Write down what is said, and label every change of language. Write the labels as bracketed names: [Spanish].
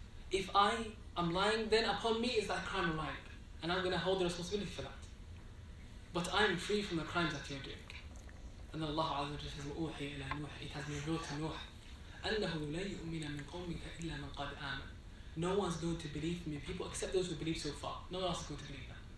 [English] If I am lying, then upon me is that crime of lying. And I'm going to hold the responsibility for that. But I'm free from the crimes that you're doing. And then Allah عز وجل says, [Arabic] أوحي إلى نوح, [English] it has been revealed to Nuh, [Arabic] أنه لا يؤمن من قومك إلا من قد آمن. [English] No one's going to believe me, people, except those who believe so far. No one else is going to believe that.